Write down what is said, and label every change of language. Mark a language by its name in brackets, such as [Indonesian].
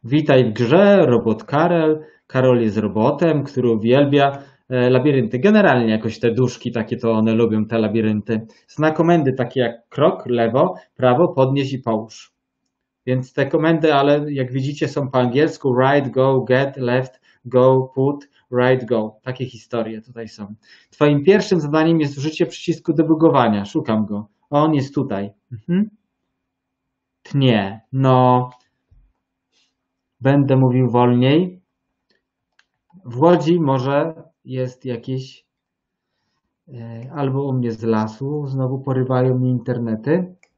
[Polish] Witaj w grze, robot Karel. Karol jest robotem, który uwielbia labirynty. Generalnie jakoś te duszki takie, to one lubią te labirynty. Zna komendy takie jak krok, lewo, prawo, podnieś i połóż. Więc te komendy, ale jak widzicie, są po angielsku. [English] Right, go, get, left, go, put, right, go. [Polish] Takie historie tutaj są. Twoim pierwszym zadaniem jest użycie przycisku debugowania. Szukam go. On jest tutaj. Tnie. No. Będę mówił wolniej. W Łodzi może jest jakiś, albo u mnie z lasu, znowu porywają mi internety.